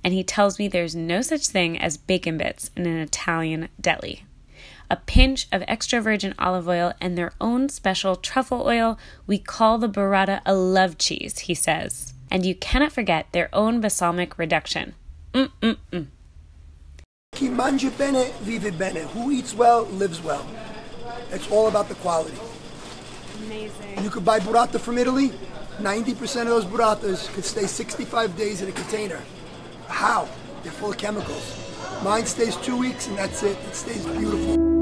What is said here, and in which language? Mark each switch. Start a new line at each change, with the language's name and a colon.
English: And he tells me there's no such thing as bacon bits in an Italian deli. A pinch of extra virgin olive oil and their own special truffle oil. We call the burrata a love cheese, he says. And you cannot forget their own balsamic reduction. Mm-mm-mm.
Italian: Chi mangia bene, vive bene.
English: Who eats well, lives well. It's all about the quality. Amazing. You could buy burrata from Italy. 90% of those burratas could stay 65 days in a container. How? They're full of chemicals. Mine stays 2 weeks and that's it. It stays beautiful.